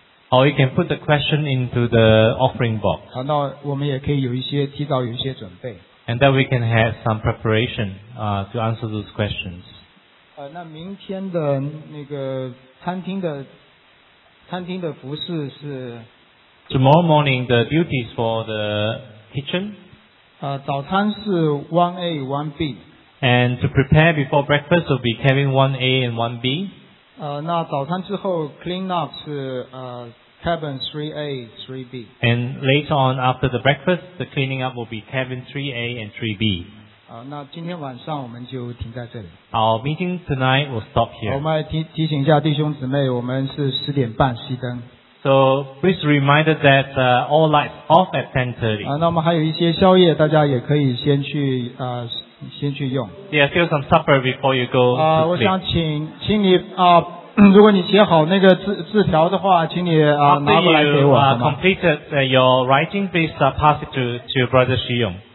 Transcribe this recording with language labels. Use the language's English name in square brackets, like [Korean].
[English] Or you can put the question into the offering box. [Chinese] 那我们也可以有一些提早有一些准备。 [English] And then we can have some preparation, to answer those questions. [Chinese] 那明天的那个餐厅的服饰是 [English] Tomorrow morning the duties for the kitchen. [Chinese] 早餐是 1A 1B. [English] And to prepare before breakfast will be Kevin 1A and 1B. [Chinese] 那早餐之后 clean up 是Kevin 3A 3B. [English] And later on after the breakfast the cleaning up will be Kevin 3A and 3B. [Chinese] 那今天晚上我们就停在这里。 [English] Our meeting tonight will stop here. [Chinese] 我们来提醒一下弟兄姊妹，我们是十点半熄灯。 [English] So please remind that all lights off at 10:30. [Chinese] 那我们还有一些宵夜，大家也可以先去用。 [English] Yeah, feel some supper before you go. [Chinese] 我想请你如果你写好那个字条的话，请你拿过来给我。 [English] After you completed your writing, please pass it to Brother Xu Yong.